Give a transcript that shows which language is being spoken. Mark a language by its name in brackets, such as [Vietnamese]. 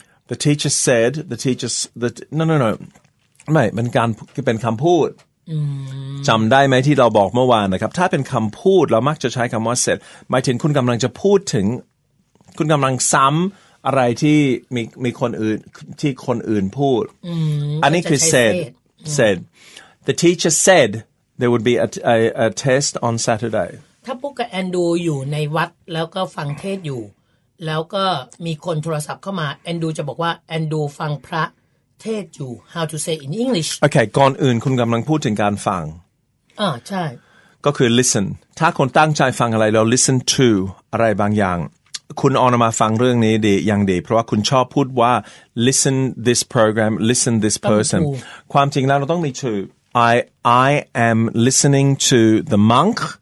[English] the teacher said the teacher no [Thai] ไม่เป็นคำพูดจำได้ไหมที่เราบอกเมื่อวานนะครับถ้าเป็นคำพูดเรามักจะใช้คำว่า said หมายถึงคุณกำลังจะพูดถึงคุณกำลังซ้ำอะไรที่มีคนอื่นที่คนอื่นพูด อั [English] นนี้คือ said the teacher said there would be a test on Saturday [Thai] ถ้าปุ๊กกับแอนดูอยู่ในวัดแล้วก็ฟังเทศอยู่แล้วก็มีคนโทรศัพท์เข้ามาแอนดูจะบอกว่าแอนดูฟังพระเทศอยู่ [English] how to say in English [Thai] โอเคก่อนอื่นคุณกำลังพูดถึงการฟัง ใช่ก็คือ listen ถ้าคนตั้งใจฟังอะไรแล้ว listen to อะไรบางอย่างคุณออนมาฟังเรื่องนี้ดีอย่างดีเพราะว่าคุณชอบพูดว่า [English] listen this program listen this person [Thai] ความจริงแล้วเราต้องมีชื่อ [English] I am listening to the monk